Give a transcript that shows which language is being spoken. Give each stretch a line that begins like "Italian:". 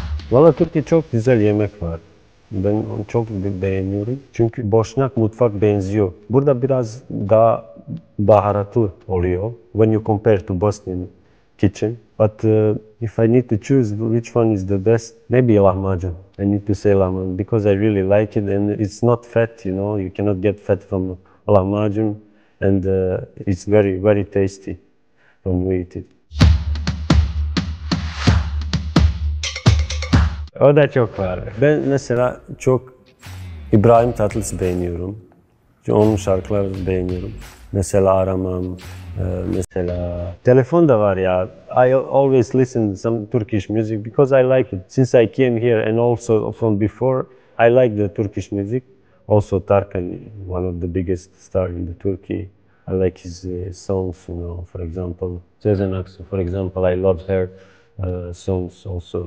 Turkish: Valla Türkiye çok güzel yemek var. Ben onu çok beğeniyorum. Çünkü Boşnak mutfak benziyor. Burada biraz daha baharatlı oluyor.
English: When you compare to Bosnian kitchen. But if I need to choose which one is the best, maybe lahmacun. I need to say lahmacun because I really like it, and it's not fat, you know. You cannot get fat from lahmacun, and it's very, very tasty when you eat it.
Turkish: O da çok var. Ben mesela çok İbrahim Tatlıses beğeniyorum. Onun şarkılarını beğeniyorum. Mesela Aramam. Mesela telefon da var ya.
English: I always listen some Turkish music because I like it. Since I came here and also from before, I like the Turkish music. Also Tarkan, one of the biggest star in the Turkey. I like his songs, you know. For example, Sezen Aksu, for example, I love her songs also.